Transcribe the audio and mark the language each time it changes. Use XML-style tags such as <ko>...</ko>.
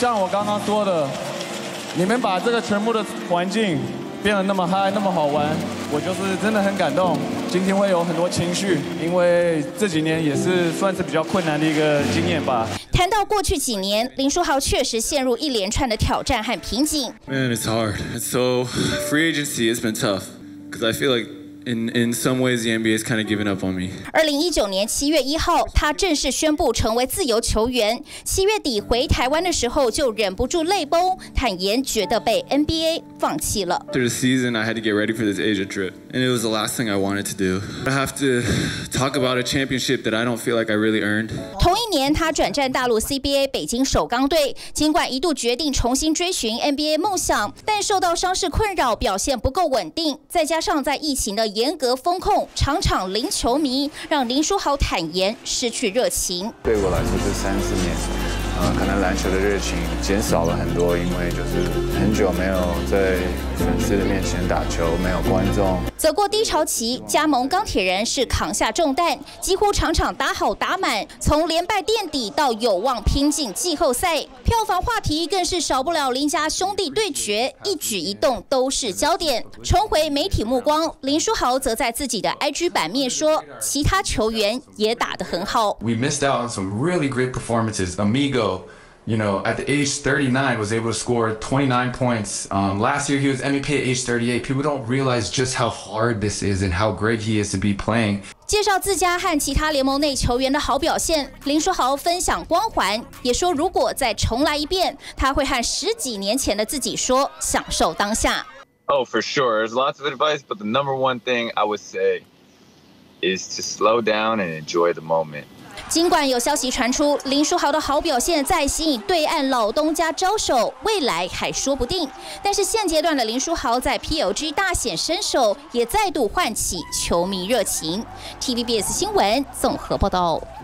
<zh>像我刚刚说的，你们把这个全部的环境变得那么嗨，那么好玩，我就是真的很感动。今天会有很多情绪，因为这几年也是算是比较困难的一个经验吧。” 谈到过去几年，林书豪确实陷入一连串的挑战和瓶颈。</zh> <en>Man, it's hard. So free agency has been tough because I feel like in some ways the NBA has kind of given up on me.</en> <zh>2019年7月1号，他正式宣布成为自由球员。七月底回台湾的时候，就忍不住泪崩，坦言觉得被 NBA 放弃了。</zh> <en>Through the season, I had to get ready for this Asia trip, and it was the last thing I wanted to do. I have to talk about a championship that I don't feel like I really earned.</en> <zh>同一年，他转战大陆 CBA 北京首钢队。尽管一度决定重新追寻 NBA 梦想，但受到伤势困扰，表现不够稳定，再加上在疫情的严格封控，场场零球迷，让林书豪坦言失去热情。对我来说，这3、4年，可能篮球的热情减少了很多，因为就是很久没有在粉丝的面前打球，没有观众。走过低潮期，加盟钢铁人是扛下重担，几乎场场打好打满，从连败垫底到有望拼进季后赛。票房话题更是少不了林家兄弟对决，一举一动都是焦点。重回媒体目光，林书豪则在自己的 IG 版面说，其他球员也打得很好。</zh> <en>We missed out on some really great performances. Amigo, you know, at the age 39 was able to score 29 points. Last year he was MVP at age 38. People don't realize just how hard this is and how great he is to be playing.</en> <zh>介绍自家和其他联盟内球员的好表现，林书豪分享光环，也说如果再重来一遍，他会和十几年前的自己说，享受当下。</zh> <en>Oh, for sure. There's lots of advice, but the number one thing I would say is to slow down and enjoy the moment.</en> <zh>尽管有消息传出林书豪的好表现在吸引对岸老东家招手，未来还说不定，但是现阶段的林书豪在 PLG 大显身手，也再度唤起球迷热情。 TVBS 新闻综合报道。</zh>